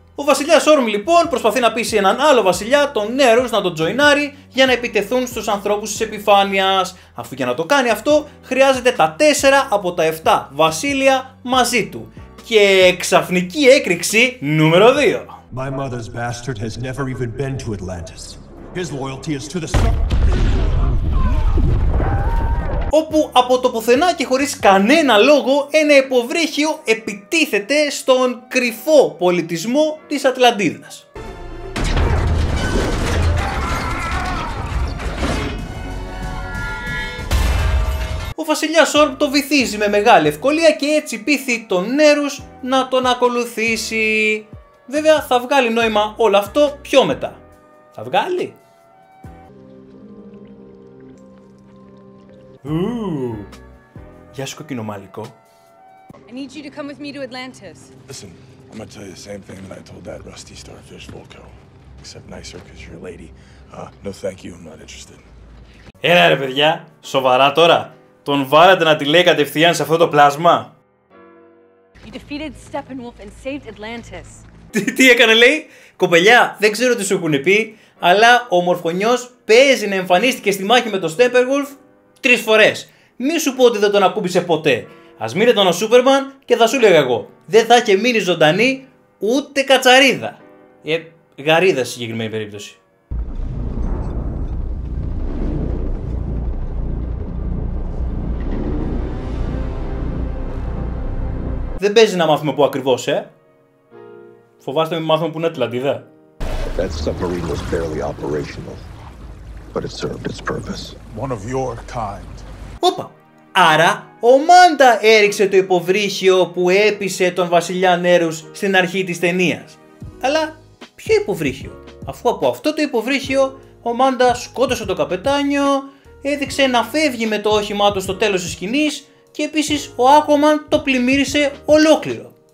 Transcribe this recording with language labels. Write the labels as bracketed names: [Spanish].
[Greek] Ο βασιλιάς Όρμ λοιπόν προσπαθεί να πείσει έναν άλλο βασιλιά, τον Νέρους, να τον τζοϊνάρει για να επιτεθούν στους ανθρώπους της επιφάνειας, αφού για να το κάνει αυτό χρειάζεται τα 4 από τα 7 βασίλεια μαζί του. Και ξαφνική έκρηξη νούμερο 2. [English] My mother's bastard has never even been to Atlantis. His loyalty is to the sun. [Greek] Όπου από το πουθενά και χωρίς κανένα λόγο ένα υποβρύχιο επιτίθεται στον κρυφό πολιτισμό της Ατλαντίδας. Ο βασιλιάς Όρμ το βυθίζει με μεγάλη ευκολία και έτσι πείθει τον Νέρους να τον ακολουθήσει. Βέβαια θα βγάλει νόημα όλο αυτό πιο μετά. Θα βγάλει. Γεια σου, κόκκινο μάλικο. [English] I need you to come with me to Atlantis. Listen, I'm gonna tell you the same thing that I told that rusty starfish Volko. Except nicer, cause you're a lady. No thank you, I'm not interested. [Greek] Έλα ρε παιδιά, σοβαρά τώρα. Τον βάλατε να τη λέει κατευθείαν σε αυτό το πλάσμα. [English] You defeated Steppenwolf and saved Atlantis. [Greek] Τι έκανε λέει, κοπελιά, δεν ξέρω τι σου έχουν πει, αλλά ο μορφωνιός παίζει να εμφανίστηκε στη μάχη με τον Steppenwolf 3 φορές. Μη σου πω ότι δεν τον ακούμπησε ποτέ. Ας μην ήταν ο Σούπερμαν και θα σου λέγα εγώ. Δεν θα είχε μείνει ζωντανή ούτε κατσαρίδα. Γαρίδα στη συγκεκριμένη περίπτωση. Δεν παίζει να μάθουμε πού ακριβώς, ε. Φοβάστε να μάθουμε πού είναι Ατλαντίδα. [English] That submarine was barely operational. But it served its purpose. One of your kind. [Greek] Οπα! Άρα ο Manta έριξε το υποβρύχιο που έπεισε τον βασιλιά Νέρους στην αρχή της ταινίας. Αλλά ποιο υποβρύχιο? Αφού από αυτό το υποβρύχιο ο Manta σκότωσε τον καπετάνιο, έδειξε να φεύγει με το όχημά του στο τέλος της σκηνής και επίσης ο Aquaman το πλημμύρισε ολόκληρο.